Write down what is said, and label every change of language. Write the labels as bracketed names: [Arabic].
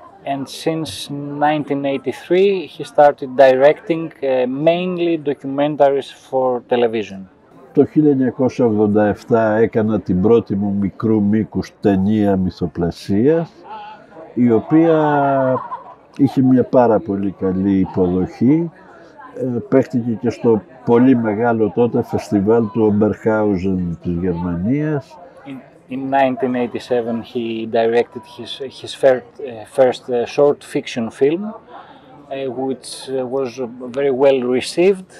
[English] And since 1983 he started directing mainly documentaries for television. [Greek] Το 1987 έκανα την πρώτη μου μικρού μήκους ταινία μυθοπλασίας, η οποία είχε μια πάρα πολύ καλή υποδοχή. Παίχτηκε και στο πολύ μεγάλο τότε φεστιβάλ του Oberhausen της Γερμανίας. [English] In 1987 he directed his first short fiction film, which was very well received.